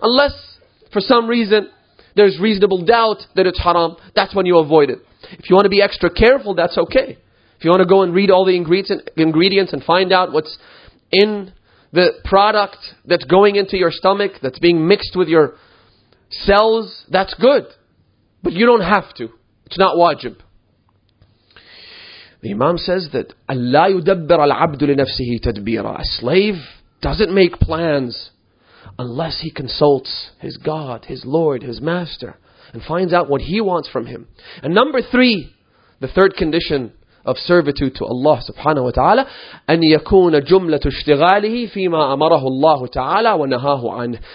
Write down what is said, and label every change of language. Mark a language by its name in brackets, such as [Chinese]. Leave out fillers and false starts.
[English] Unless, for some reason, there's reasonable doubt that it's haram, that's when you avoid it. If you want to be extra careful, that's okay. If you want to go and read all the ingredients and find out what's in the product that's going into your stomach, that's being mixed with your cells, that's good. But you don't have to. It's not wajib. The Imam says that [Arabic] أَلَّا يُدَبَّرَ الْعَبْدُ لِنَفْسِهِ تَدْبِيرًا. [English] A slave doesn't make plans unless he consults his God, his Lord, his Master, and finds out what he wants from him. And number three, the third condition of servitude to Allah subhanahu wa ta'ala, [Arabic] أن يكون جملة اشتغاله فيما أمره الله تعالى ونهاه عنه.